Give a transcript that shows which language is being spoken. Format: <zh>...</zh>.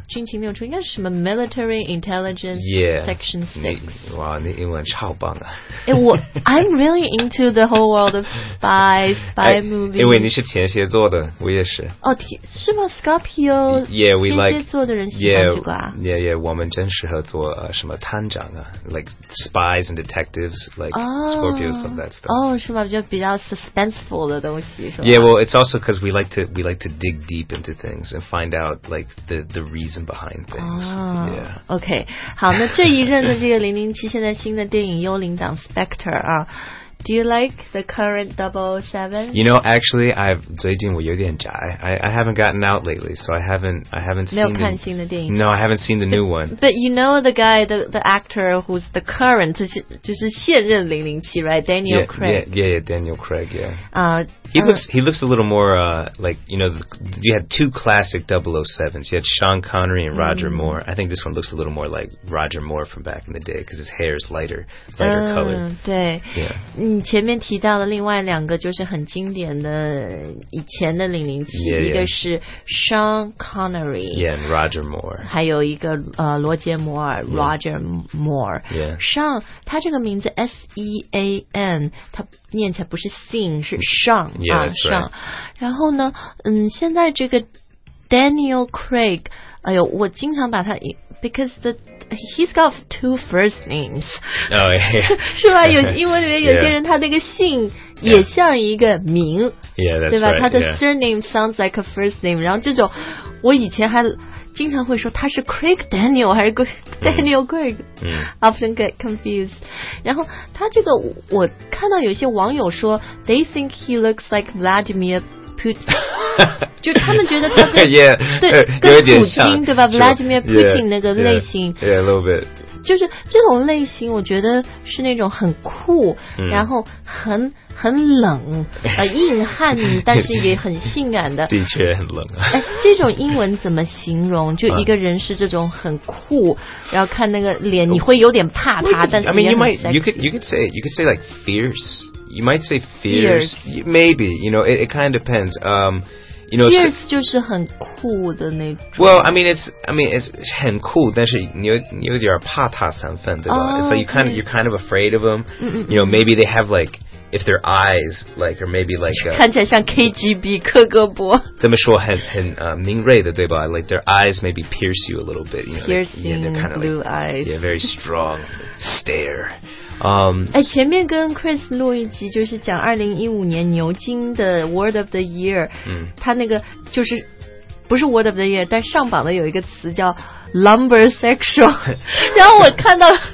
<zh>军情六处应该是什么</zh> <en>Military Intelligence yeah, Section 6</en> <zh>哇你英文超棒啊</zh> <en>I'm really into the whole world of spy movies</en> <zh>因为你是天蝎座的我也是哦，是吗 Scorpio</zh> <en>yeah, we</en> <zh>天蝎座的人喜欢这个啊</zh> <en>yeah, yeah,</en> <zh>我们真适合做、什么探长啊</zh> <en>like spies and detectives like、Scorpios of that stuff</en> <zh>哦，是吗比较 suspenseful 的东西是吗</zh> <en>yeah well it's also because we like to dig deep into things and find out like the reason behind things、yeah.</en> <zh>OK 好那这一任的这个007 现在新的电影幽灵党 Spectre 啊</zh> <en>Do you like the current 007? You know, actually, I've</en> <zh>最近我有点宅</zh> <en>I haven't gotten out lately, so I haven't seen</en> <zh>没有看新的电影</zh> <en>No, I haven't seen the new one. But you know the guy, the actor who's the current</en> <zh>就是现任007</zh> <en>right? Daniel yeah, Craig. Yeah, yeah, Daniel Craig. Yeah. He looks a little more like you know you had two classic 007s. You had Sean Connery and Roger、mm-hmm. Moore. I think this one looks a little more like Roger Moore from back in the day because his hair is lighter color.</en> <zh>对 Yeah. 你前面提到的另外两个就是很经典的以前的007</zh> <en>yeah, yeah.</en> <zh>一个是 Sean Connery</zh> <en>yeah, and Roger Moore</en> <zh>还有一个罗杰摩尔 Roger Moore</zh> <en>yeah. Yeah.</en> <zh>Sean 他这个名字 S-E-A-N 他念起来不是 Sean 是 Sean,</zh> <en>yeah,、 Sean.</en> <zh>然后呢现在这个 Daniel Craig 哎呦我经常把他</zh> <en>because theHe's got two first names. Oh, yeah.</en> <zh>是吧？有英文里面有些人他那个姓也像一个名，</zh> <en>yeah. Yeah, that's</en> <zh>对吧？</zh> <en>Right, 他的 surname sounds like a first name.</en> <zh>然后这种，我以前还经常会说他是 Craig Daniel 还是 Daniel Craig.、</zh> <en>Mm. Often get confused.</en> <zh>然后他这个，我看到有些网友说</zh> <en>they think he looks like Vladimir Putin.</en> <zh>就他们觉得他跟</zh> <en>yeah,</en> <zh>对跟普京对吧 Vladimir Putin 那个类型</zh> <en>yeah, yeah a little bit</en> <zh>就是这种类型，我觉得是那种很酷，然后很冷，硬汉，但是也很性感的。的确很冷啊。哎，这种英文怎么形容？就一个人是这种很酷，然后看那个脸，你会有点怕他，但是也很 sexy。</zh> <en>I mean, you could say like fierce. You might say fierce. Maybe, you know, it kind of depends. You know,</en> <zh>fierce 就是很酷的那种。</zh> <en>Well, I mean it's</en> <zh>很酷，但是你有点怕他三分，对吧？</zh> <en>Oh, it's like you're kind of afraid of him. Mm-hmm. You know, maybe they have like if their eyes like or maybe like</en> <zh>看起来像 KGB 克格勃。这么说很敏锐的，对吧？</zh> <en>Like their eyes maybe pierce you a little bit. You know, piercing like, yeah, blue like, eyes. Yeah, very strong stare.</en> <zh>哎，前面跟 Chris 录一集，就是讲2015年牛津的 Word of the Year， 他那个就是不是 Word of the Year， 但上榜的有一个词叫 Lumbersexual， 然后我看到</zh>